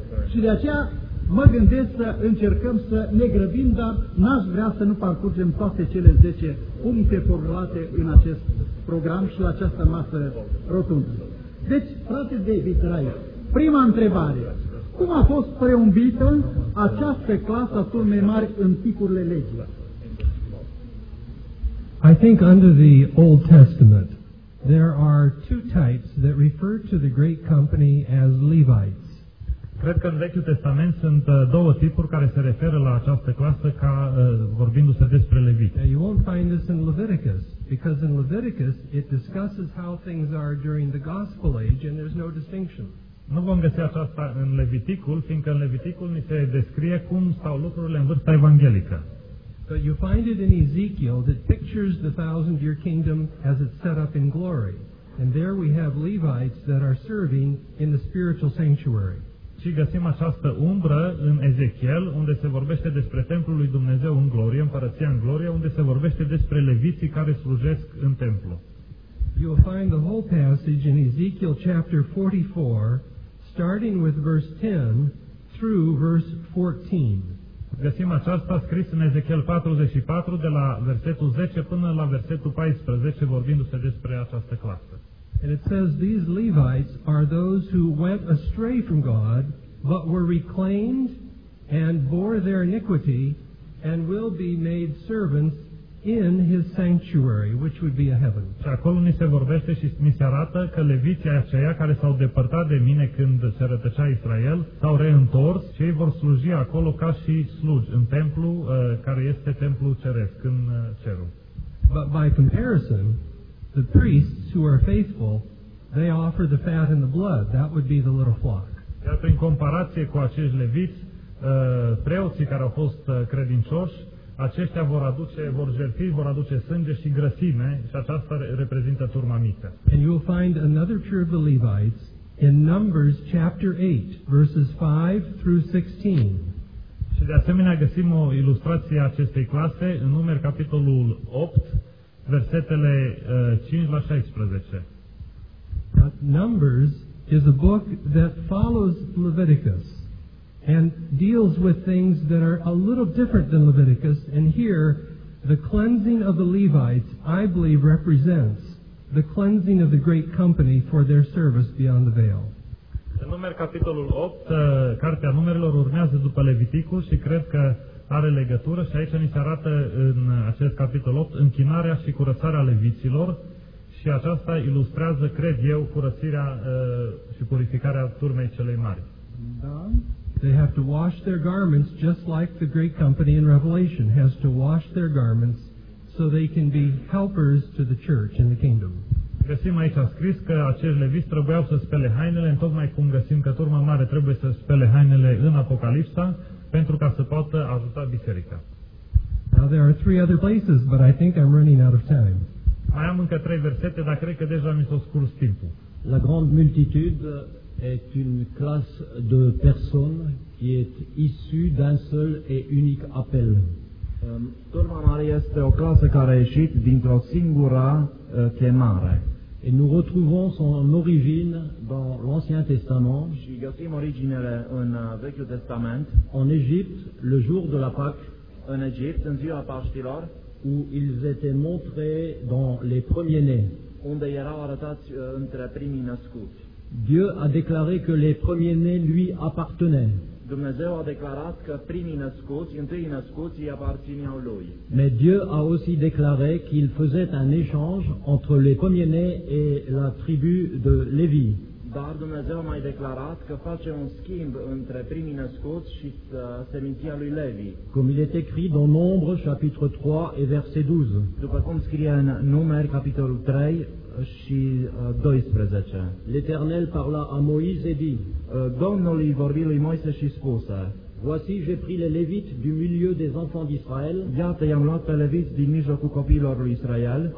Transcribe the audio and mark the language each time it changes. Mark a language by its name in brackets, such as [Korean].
[Romanian] Și de aceea mă gândesc să încercăm să ne grăbim, dar n-aș vrea să nu parcurgem toate cele 10 puncte formulate în acest program și la această masă rotundă. Deci, frate David Rice, prima întrebare. Cum a fost preumbită această clasă a Turmei Mari în picurile legii? [English] I think under the Old Testament there are two types that refer to the great company as Levites. [Romanian] Cred că în Vechiul Testament sunt două tipuri care se referă la această clasă ca vorbindu-se despre leviți. [English] You won't find this in Leviticus. Because in Leviticus it discusses how things are during the gospel age and there's no distinction. [Romanian] Nu vom găsi aceasta în Leviticul, fiindcă în Leviticul ni se descrie cum stau lucrurile în vârsta evanghelică. [English] But you find it in Ezekiel that pictures the thousand-year kingdom as it's set up in glory. And there we have Levites that are serving in the spiritual sanctuary. [Romanian] Și găsim această umbră în Ezechiel, unde se vorbește despre templul lui Dumnezeu în glorie, împărăția în glorie, unde se vorbește despre leviții care slujesc în templu. [English] You will find the whole passage in Ezekiel chapter 44, starting with verse 10 through verse 14. [Romanian] Găsim aceasta scris în Ezechiel 44, de la versetul 10 până la versetul 14, vorbindu-se despre această clasă. [English] And it says, these Levites are those who went astray from God, but were reclaimed and bore their iniquity, and will be made servants in his sanctuary, which would be a heaven. [Romanian] Și acolo ni se vorbește și mi se arată că leviții aceia care s-au depărtat de mine când se rătăcea Israel, s-au reîntors și ei vor sluji acolo ca și slugi în templu, care este templu ceresc, în cerul. [English] But by comparison, the priests who are faithful, they offer the fat and the blood. That would be the little flock. [Romanian] Iar prin comparație cu acești leviți, preoții care au fost credincioși, aceștia vor aduce, vor jertfi, vor aduce sânge și grăsime, și aceasta reprezintă turma mică. [English] And you will find another pair of the Levites in Numbers chapter 8, verses 5 through 16. [Romanian] Și de asemenea găsim o ilustrație a acestei clase în Numeri capitolul 8, versetele 5 la 16. [English] Numbers is a book that follows Leviticus and deals with things that are a little different than Leviticus, and here the cleansing of the Levites, I believe, represents the cleansing of the great company for their service beyond the veil. [Romanian] În Numeri capitolul 8, cartea Numerilor urmează după Leviticul și cred că are legătură, și aici ni se arată în acest capitol 8 închinarea și curățarea leviților. Și aceasta ilustrează, cred eu, curățirea și purificarea turmei celei mari. Da. [English] They have to wash their garments just like the great company in Revelation has to wash their garments so they can be helpers to the church in the kingdom. [Romanian] Găsim aici scris că acești leviți trebuiau să spele hainele, în tocmai cum găsim că turma mare trebuie să spele hainele în Apocalipsa pentru ca să poată ajuta biserica. [English] Now there are three other places, but I think I'm running out of time. [Romanian] Mai am încă trei versete, dar cred că deja mi s-a scurs timpul. [French] La grande multitude est une classe de personnes qui est issue d'un seul et unique appel. [Romanian] Turma mare este o clasă care a ieșit dintr-o singură chemare. [French] Et nous retrouvons son origine dans l'Ancien Testament. [Romanian] Și găsim originele în Vechiul Testament. [French] En Égypte, le jour de la Pâque. [Romanian] În Egipt, în ziua Paștilor. [French] Où ils étaient montrés dans les premiers-nés. [Romanian] Unde erau arătați între primii născuți. [French] Dieu a déclaré que les premiers-nés lui appartenaient. [Romanian] Dumnezeu a declarat că primii născuți, întâi născuți, îi aparțineau lui. [French] Mais Dieu a aussi déclaré qu'il faisait un échange entre les premiers-nés et la tribu de Lévi. [Romanian] Dar Dumnezeu a mai declarat că face un schimb între primii născuți și seminția lui Levi. [French] Comme il est écrit dans Nombre, chapitre 3 et verset 12. [Romanian] După cum scrie în Numeri, capitolul 3 și 12. [French] L'Éternel parla à Moïse et dit, [Romanian] Domnul i-a vorbit lui Moise și spuse, [French] Voici, j'ai pris les Lévites du milieu des enfants d'Israël. [Romanian] Iată, i-am luat pe Leviți din mijlocul copiilor lui Israel.